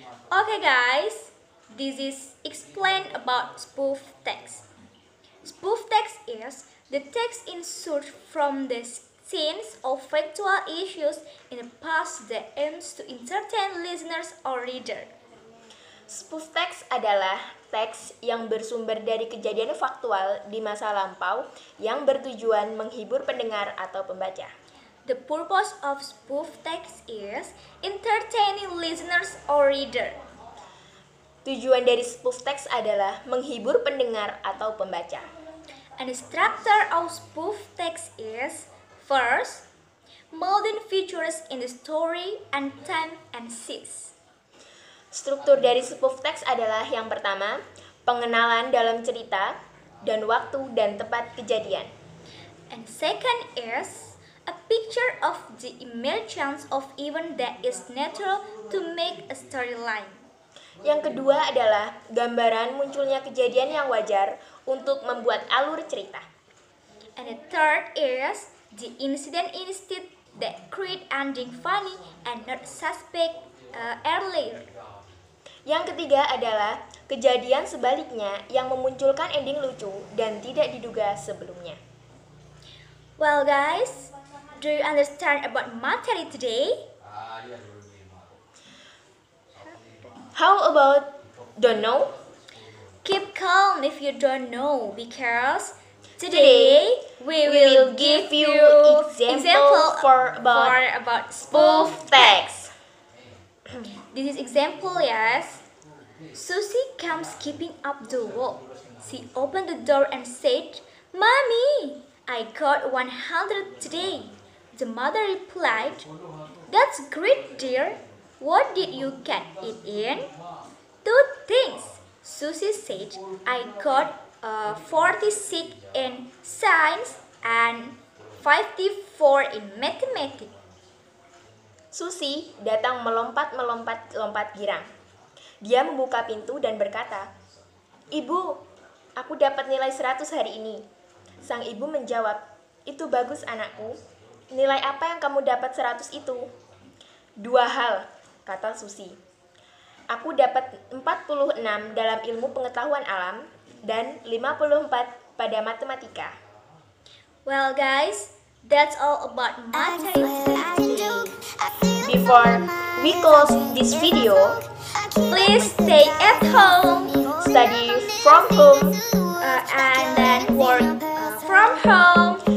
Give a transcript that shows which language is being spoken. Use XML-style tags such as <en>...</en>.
<en>Okay, guys. This is explain about spoof text. Spoof text is the text insert from the scenes of factual issues in the past that aims to entertain listeners or readers.</en> <id>Spoof text adalah teks yang bersumber dari kejadian faktual di masa lampau yang bertujuan menghibur pendengar atau pembaca.</id> <en>The purpose of spoof text is entertaining listeners or reader.</en> <id>Tujuan dari spoof text adalah menghibur pendengar atau pembaca.</id> <en>And the structure of spoof text is first, modern features in the story and time and scenes.</en> <id>Struktur dari spoof text adalah yang pertama, pengenalan dalam cerita dan waktu dan tempat kejadian.</id> <en>And second is a picture of the emergence of event that is natural to make a storyline.</en> <id>Yang kedua adalah gambaran munculnya kejadian yang wajar untuk membuat alur cerita.</id> <en>And the third is the incident instead that create ending funny and not suspect earlier.</en> <id>Yang ketiga adalah kejadian sebaliknya yang memunculkan ending lucu dan tidak diduga sebelumnya.</id> <en>Well guys, do you understand about materi today? How about don't know? Keep calm if you don't know, because today we will give you example for about spoof text. This is example, yes. Susie comes skipping up the wall. She opened the door and said, "Mommy, I got 100 today." The mother replied, "That's great, dear. What did you get it in?" "Two things," Susie said. "I got 46 in science and 54 in mathematics."</en> <id>Susie datang melompat-melompat-lompat girang. Dia membuka pintu dan berkata, "Ibu, aku dapat nilai 100 hari ini." Sang ibu menjawab, "Itu bagus anakku. Nilai apa yang kamu dapat 100 itu?" "Dua hal," kata Susi. "Aku dapat 46 dalam ilmu pengetahuan alam dan 54 pada matematika."</id> <en>Well guys, that's all about matematik. Before we close this video, please stay at home, study from home, and then work from home,</en>